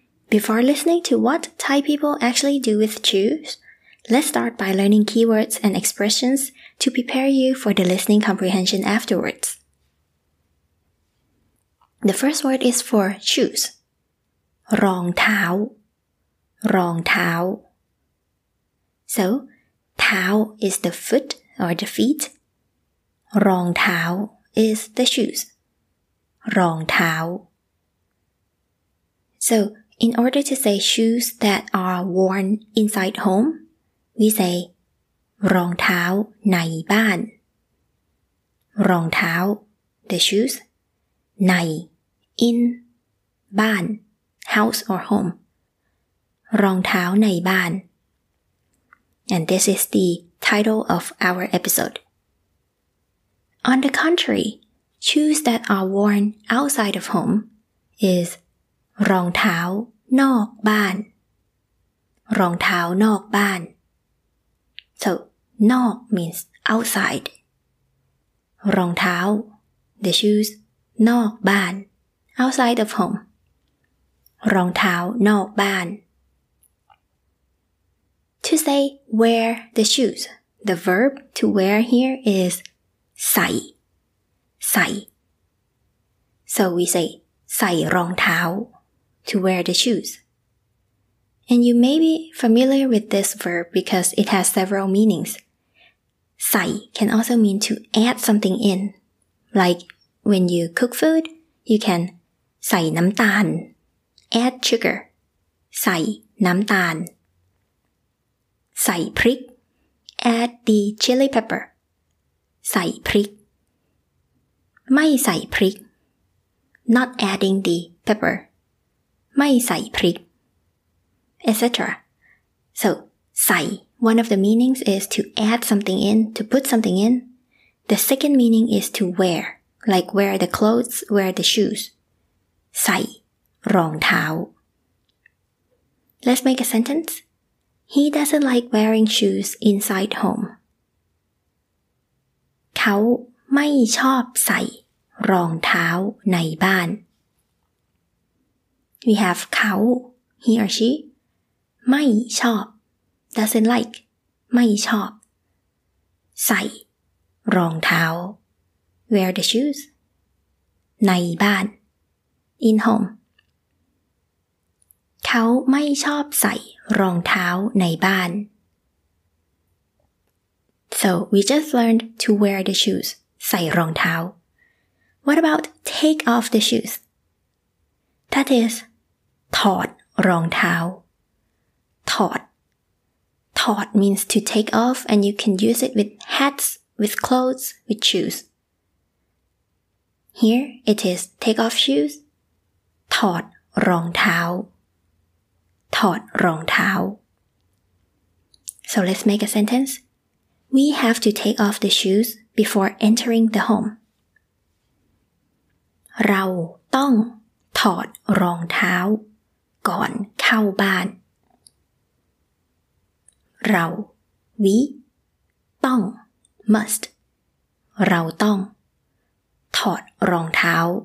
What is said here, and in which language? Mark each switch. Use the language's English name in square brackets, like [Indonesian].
[English] Before listening to what Thai people actually do with shoes,Let's start by learning keywords and expressions to prepare you for the listening comprehension afterwards. The first word is for shoes. [Thai] รองเท้า รองเท้า [English] So, เท้า is the foot or the feet. รองเท้า is the shoes. รองเท้า So, in order to say shoes that are worn inside home,We say, [Thai] รองเท้าในบ้าน [English] รองเท้า the shoes, ใน in, บ้าน house or home, รองเท้าในบ้าน And this is the title of our episode. On the contrary, shoes that are worn outside of home is [Thai] รองเท้านอกบ้าน รองเท้านอกบ้าน [English] So, นอก means outside. รองเท้า, the shoes, [Thai] นอกบ้าน, [English] outside of home. [Thai] รองเท้านอกบ้าน. [English] To say wear the shoes, the verb to wear here is ใส่, ใส่. So we say [Thai] ใส่รองเท้า, [English] to wear the shoes. And you may be familiar with this verb because it has several meanings. ใส่ can also mean to add something in. Like when you cook food, you can [Thai] ใส่น้ำตาล [English] add sugar. [Thai] ใส่น้ำตาล ใส่พริก [English] add the chili pepper. [Thai] ใส่พริก ไม่ใส่พริก [English] not adding the pepper. [Thai] ไม่ใส่พริกetc. [English] So, ใส่ one of the meanings is to add something in, to put something in. The second meaning is to wear, like wear the clothes, wear the shoes. [Thai] ใส่รองเท้า. [English] Let's make a sentence. He doesn't like wearing shoes inside home. [Thai] เขาไม่ชอบใส่รองเท้าในบ้าน. [English] We have เขา, he or she. ไม่ชอบ doesn't like ไม่ชอบใส่รองเท้า wear the shoes ในบ้าน in home [Thai] เขาไม่ชอบใส่รองเท้าในบ้าน [English] so we just learned to wear the shoes [Thai] ใส่รองเท้า [English] what about take off the shoes that is ถอดรองเท้าถอด means to take off and you can use it with hats, with clothes, with shoes. Here, it is take off shoes. [Thai] ถอดรองเท้า ถอดรองเท้า [English] So let's make a sentence. We have to take off the shoes before entering the home. [Thai] เราต้องถอดรองเท้าก่อนเข้าบ้านเรา we ต้อง must เราต้องถอดรองเท้า